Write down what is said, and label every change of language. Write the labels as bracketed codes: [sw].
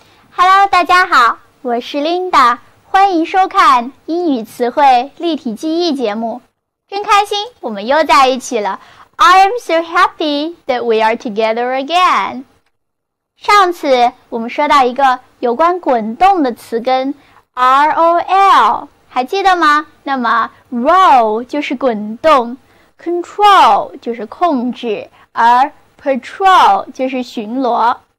[zh] Hello， 大家好，我是 Linda， 欢迎收看英语词汇立体记忆节目。真开心我们又在一起了。 [en] I am so happy that we are together again. [zh] 上次我们说到一个有关滚动的词根 ROL，还记得吗？那么 roll 就是滚动， control 就是控制，而 patrol 就是巡逻。